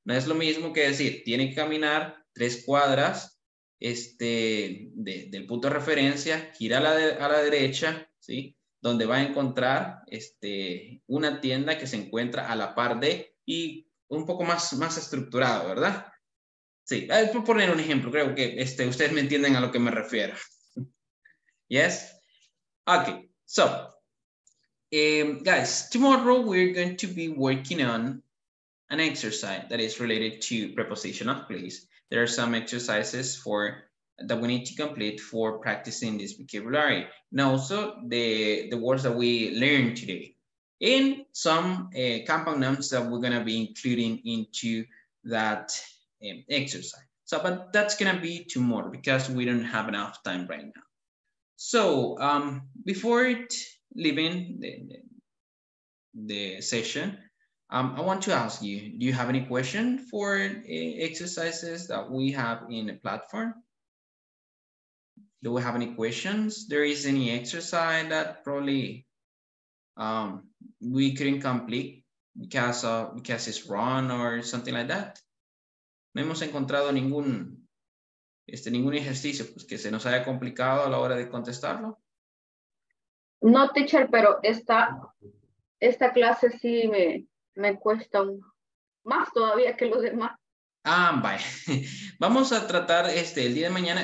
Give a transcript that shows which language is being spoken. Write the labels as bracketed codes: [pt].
[es] No es lo mismo que decir, tiene que caminar 3 cuadras del punto de referencia, gira a la derecha, ¿sí? Donde va a encontrar una tienda que se encuentra a la par de, y un poco más estructurado, ¿verdad? Sí, por poner un ejemplo, creo que ustedes me entienden a lo que me refiero. [en] Yes? Okay, so, guys, tomorrow we're going to be working on an exercise that is related to preposition of place. There are some exercises that we need to complete for practicing this vocabulary. And also the words that we learned today and some compound nouns that we're gonna be including into that exercise. So, but that's gonna be tomorrow because we don't have enough time right now. So before leaving the session, I want to ask you, do you have any question for exercises that we have in the platform? Do we have any questions? There is any exercise that probably we couldn't complete because it's wrong or something like that? [es] No hemos encontrado ningún ejercicio pues, que se nos haya complicado a la hora de contestarlo. No, teacher, pero esta clase sí me cuesta más todavía que los demás. Ah, vaya. Vamos a tratar el día de mañana.